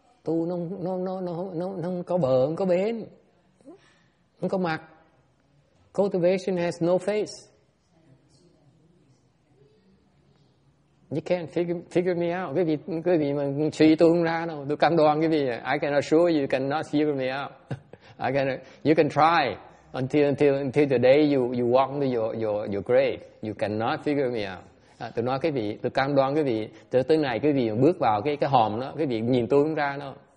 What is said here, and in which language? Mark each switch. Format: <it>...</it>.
<vi>Tu nó có bờ, không có bến, không có mặt.</vi> <en>Cultivation has no face. You can't figure me out.</en> <vi>Quý vị mà suy tôi không ra đâu. Tôi cam đoan quý vị.</vi> <en>I can assure you cannot figure me out. You can try until the day you walk into your grave. You cannot figure me out.</en> <vi>Tôi nói quý vị, tôi cam đoan quý vị. Từ tới này quý vị bước vào cái hòm đó, quý vị nhìn tôi không ra đâu.</vi>